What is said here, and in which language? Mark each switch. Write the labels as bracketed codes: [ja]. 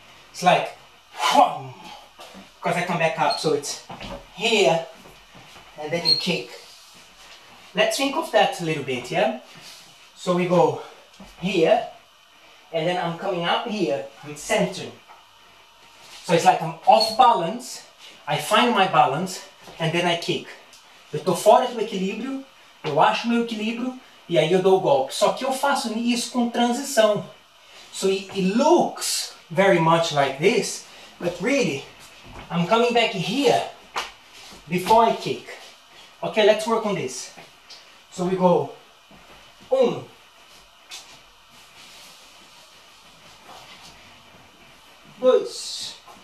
[en] It's like, whoom, because I come back up, so it's here, and then you kick. Let's think of that a little bit, yeah? So we go here, and then I'm coming up here with center. So it's like I'm off balance, I find my balance, and then I kick. [pt] Eu tô fora do equilíbrio, eu acho meu equilíbrio, e aí eu dou o golpe. Só que eu faço isso com transição. [en] So it looks very much like this, but really, I'm coming back here before I kick. Okay, let's work on this. So we go, [pt] dois.